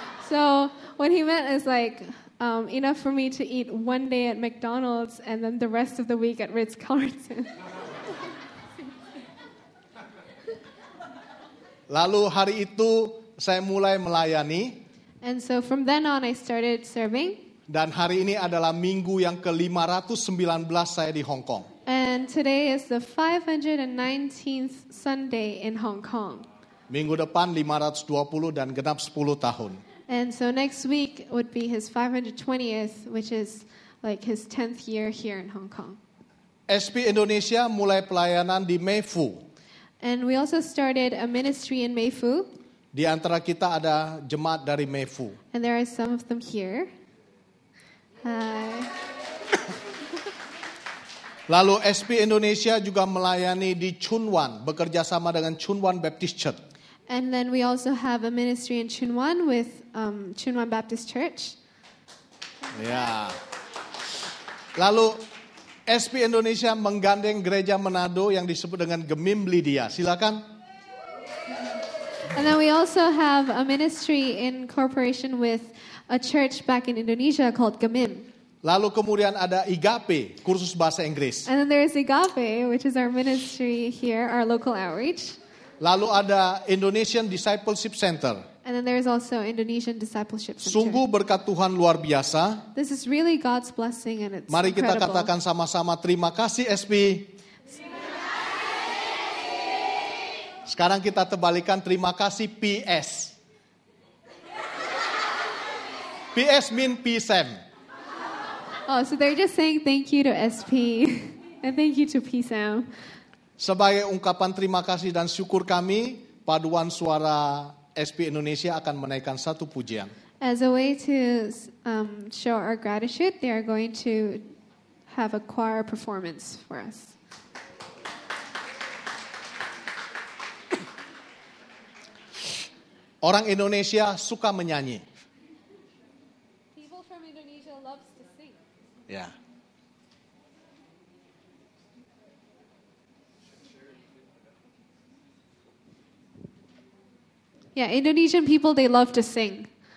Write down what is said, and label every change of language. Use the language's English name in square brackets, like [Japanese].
[English] So, what he meant is like, enough for me to eat one day at McDonald's and then the rest of the week at Ritz-Carlton. [Indonesian] Lalu hari itu, saya mulai melayani. [English] And so from then on, I started serving. [Indonesian] Dan hari ini adalah minggu yang ke-519 saya di Hong Kong. [English] And today is the 519th Sunday in Hong Kong. [Indonesian] Minggu depan 520 dan genap 10 tahun. [English] And so next week would be his 520th, which is like his 10th year here in Hong Kong. [Indonesian] SP Indonesia mulai pelayanan di Meifu. [English] And we also started a ministry in Meifu. [Indonesian] Di antara kita ada jemaat dari Meifu. [English] And there are some of them here. Hi. [Indonesian] Lalu SP Indonesia juga melayani di Chun Wan, bekerja sama dengan Chun Wan Baptist Church. [English] And then we also have a ministry in Chun Wan with Chun Wan Baptist Church. Yeah. [Indonesian] Lalu SP Indonesia menggandeng gereja Manado yang disebut dengan Gemim Lydia. Silakan. [English] And then we also have a ministry in corporation with a church back in Indonesia called Gemim. [Indonesian] Lalu kemudian ada IGAPE, kursus bahasa Inggris. [English] And then there is IGAPE, which is our ministry here, our local outreach. [Indonesian] Lalu ada Indonesian Discipleship Center. [English] And then there is also Indonesian Discipleship Center. [Indonesian] Sungguh berkat Tuhan luar biasa. [English] This is really God's blessing and it's incredible. [Indonesian] Mari kita [English] incredible. [Indonesian] Katakan sama-sama terima kasih SP. Sekarang kita terbalikan terima kasih PS. [English] PS mean PSAM. Oh, so they're just saying thank you to SP and thank you to PSAM. [Indonesian] Sebagai ungkapan terima kasih dan syukur kami, paduan suara SP Indonesia akan menaikkan satu pujian. [English] As a way to show our gratitude, they are going to have a choir performance for us. [Indonesian] Orang Indonesia suka menyanyi. [English] People from Indonesia loves to sing. Yeah. Yeah, Indonesian people, they love to sing.